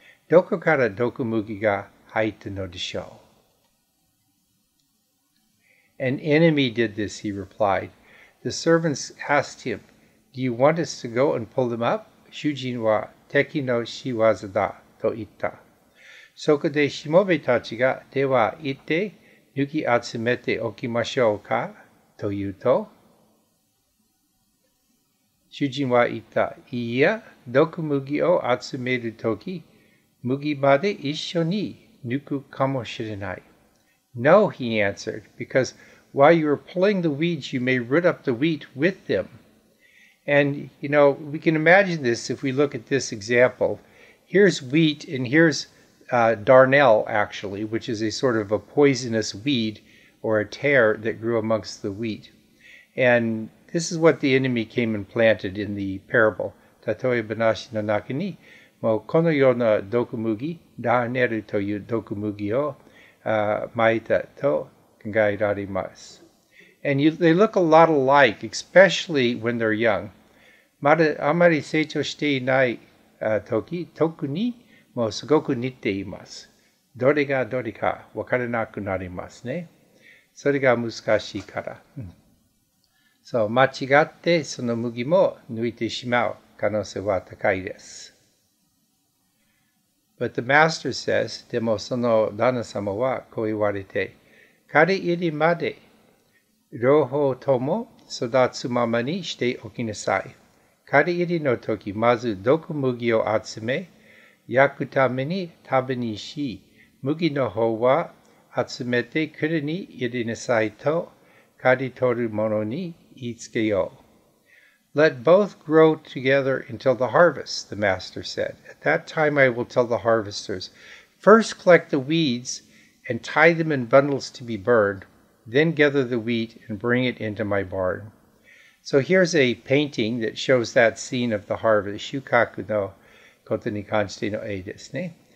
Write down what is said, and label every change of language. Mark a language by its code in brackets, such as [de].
[ja] どこから毒麦が入ったのでしょう? [en] An enemy did this, he replied. The servants asked him, Do you want us to go and pull them up? [ja] 主人は敵の仕業だと言った。そこでしもべたちが、では行って、抜き集めておきましょうかと言うと、主人は言った、いや、毒麦を集めるとき、麦まで一緒に抜くかもしれない。 [en] No, he answered, because while you are pulling the weeds, you may root up the wheat with them. And, you know, we can imagine this if we look at this example. Here's wheat, and here's darnel, actually, which is a sort of a poisonous weed or a tare that grew amongst the wheat. And this is what the enemy came and planted in the parable. [ja] たとえ話の中に、もうこのような毒麦、ダーネルという毒麦を、巻いたと考えられます。 [en] And they look a lot alike, especially when they're young. [ja] まだあまり成長していない時、特にもうすごく似ています。どれがどれか分からなくなりますね。それが難しいから。 So, 間違ってその麦も抜いてしまう可能性は高いです。 [en] But the master says, [ja] でもその旦那様はこう言われて、刈り入りまで両方とも育つままにしておきなさい。刈り入りの時、まず毒麦を集め、焼くために食べにし、麦の方は集めて蔵に入れなさいと刈り取る者に言いつけよう。 [en] Let both grow together until the harvest, the master said. At that time I will tell the harvesters, first collect the weeds and tie them in bundles to be burned, then gather the wheat and bring it into my barn. So here's a painting that shows that scene of the harvest, [ja] shukaku no koto ni kanshite no ei desu ne.